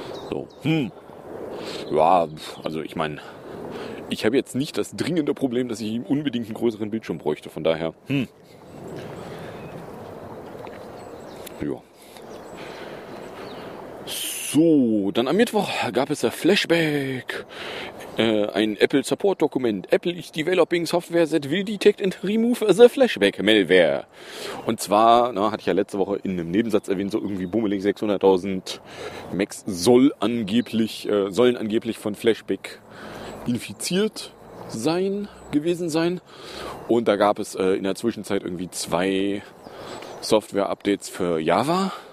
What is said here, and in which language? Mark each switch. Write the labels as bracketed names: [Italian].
[German] So, ja, also ich meine, ich habe jetzt nicht das dringende Problem, dass ich unbedingt einen größeren Bildschirm bräuchte, von daher, Ja. So, dann am Mittwoch gab es ein Flashback, ein Apple-Support-Dokument. [English] Apple is developing software that will detect and remove the Flashback-Malware. [German] Und zwar, na, hatte ich ja letzte Woche in einem Nebensatz erwähnt, so irgendwie bummelig 600.000 Macs sollen angeblich von Flashback infiziert gewesen sein. Und da gab es in der Zwischenzeit irgendwie zwei Software-Updates für Java.